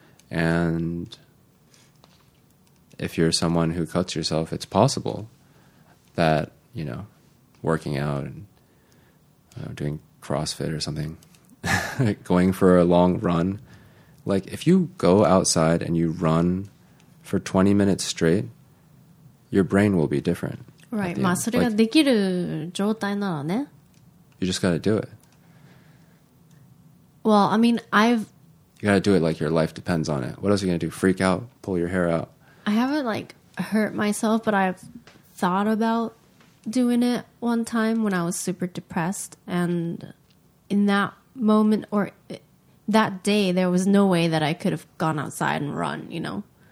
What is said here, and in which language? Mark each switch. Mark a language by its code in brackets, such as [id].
[en] And if you're someone who cuts yourself, it's possible that, you know, working out and doing CrossFit or something, going for a long run. Like, if you go outside and you run for 20 minutes straight, your brain will be different. Right. [ja] まあそれができる状態ならね。 [en] You just gotta do it. Well, I mean, I've... You gotta do it like your life depends on it. What else are you gonna do? Freak out? Pull your hair out? I haven't, like, hurt myself, but I've thought about doing it one time when I was super depressed. And in that moment or that day, there was no way that I could have gone outside and run, you know?